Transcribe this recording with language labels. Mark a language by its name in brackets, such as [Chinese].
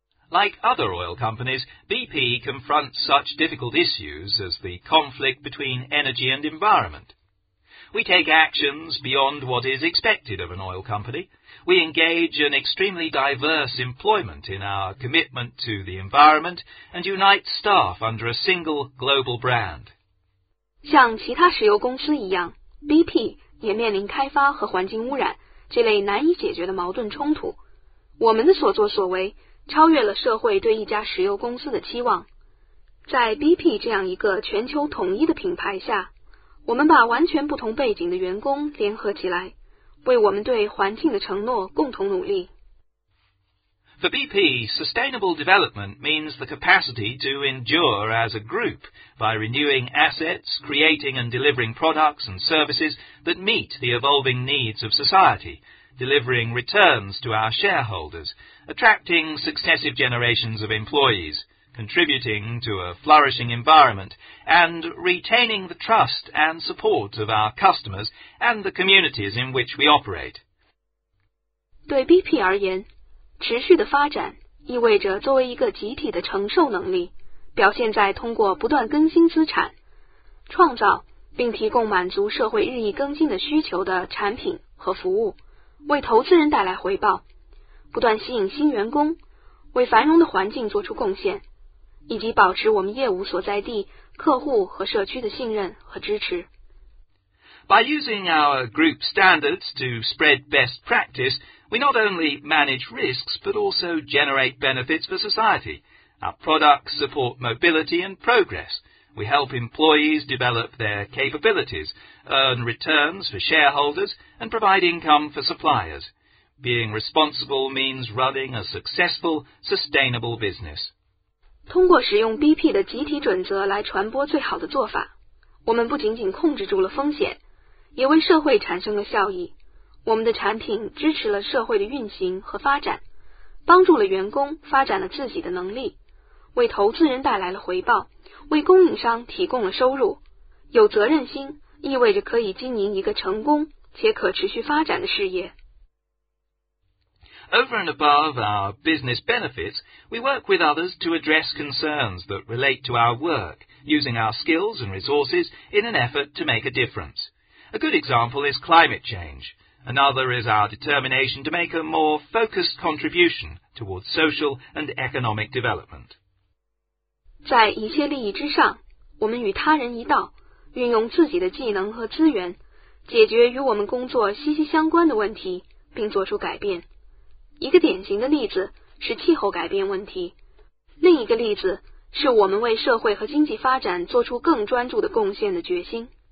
[English] Like other oil companies, BP confronts such difficult issues as the conflict between energy and environment. We take actions beyond what is expected of an oil company. We engage an extremely diverse employment in our commitment to the environment and unite staff under a single global brand. [Chinese] 像其他石油公司一样 ,BP 也面临开发和环境污染这类难以解决的矛盾冲突。我们的所作所为超越了社会对一家石油公司的期望。在 BP 这样一个全球统一的品牌下，我们把完全不同背景的员工联合起来，为我们对环境的承诺共同努力。 [English] For BP, sustainable development means the capacity to endure as a group by renewing assets, creating and delivering products and services that meet the evolving needs of society, delivering returns to our shareholders, attracting successive generations of employees, contributing to a flourishing environment, and retaining the trust and support of our customers and the communities in which we operate. [Chinese] 对 BP 而言，持续的发展意味着作为一个集体的承受能力，表现在通过不断更新资产，创造并提供满足社会日益更新的需求的产品和服务，为投资人带来回报，不断吸引新员工，为繁荣的环境做出贡献，以及保持我们业务所在地客户和社区的信任和支持。 [English] By using our group standards to spread best practice, we not only manage risks, but also generate benefits for society. Our products support mobility and progress. We help employees develop their capabilities, earn returns for shareholders, and provide income for suppliers. Being responsible means running a successful, sustainable business. [Chinese] 通过使用 BP 的集体准则来传播最好的做法，我们不仅仅控制住了风险，也为社会产生了效益。我们的产品支持了社会的运行和发展，帮助了员工发展了自己的能力，为投资人带来了回报，为供应商提供了收入。有责任心意味着可以经营一个成功且可持续发展的事业。 [English] Over and above our business benefits, we work with others to address concerns that relate to our work, using our skills and resources in an effort to make a difference. A good example is climate change. Another is our determination to make a more focused contribution towards social and economic development. [Chinese] 在一切利益之上，我们与他人一道，运用自己的技能和资源，解决与我们工作息息相关的问题，并做出改变。一个典型的例子是气候改变问题，另一个例子是我们为社会和经济发展做出更专注的贡献的决心。